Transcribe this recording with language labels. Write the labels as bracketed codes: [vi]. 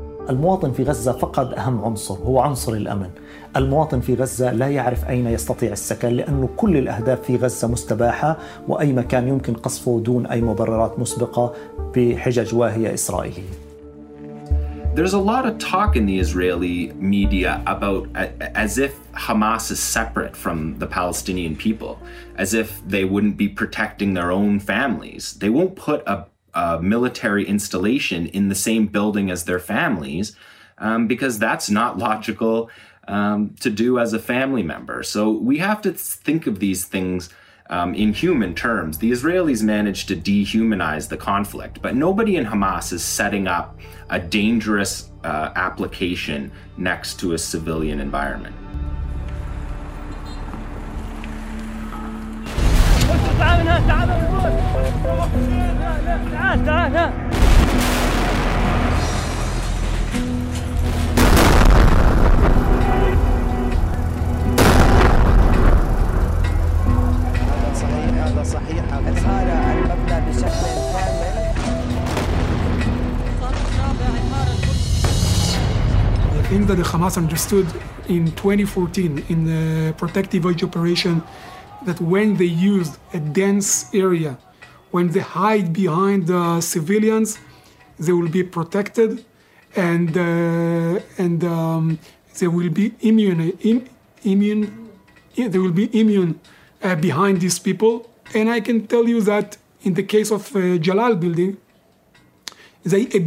[ar] المواطن في غزة فقد أهم عنصر هو عنصر الأمن المواطن في غزة لا يعرف أين يستطيع السكن لأن كل الأهداف في غزة مستباحة وأي مكان يمكن قصفه دون أي مبررات مسبقة بحجج واهية إسرائيلية [en] There's a lot of talk in the Israeli media about as if Hamas is separate from the Palestinian people as if they wouldn't be protecting their own families they won't put a military installation in the same building as their families because that's not logical to do as a family member. So we have to think of these things in human terms. The Israelis managed to dehumanize the conflict, but nobody in Hamas is setting up a dangerous application next to a civilian environment. [ar] هذا صحيح أسهل المبنى بشكل كامل [en] The thing that the Hamas understood in 2014 in the protective edge operation that when they used a dense area when they hide behind the civilians they will be protected and they will be immune behind these people and I can tell you that in the case of Jalal building they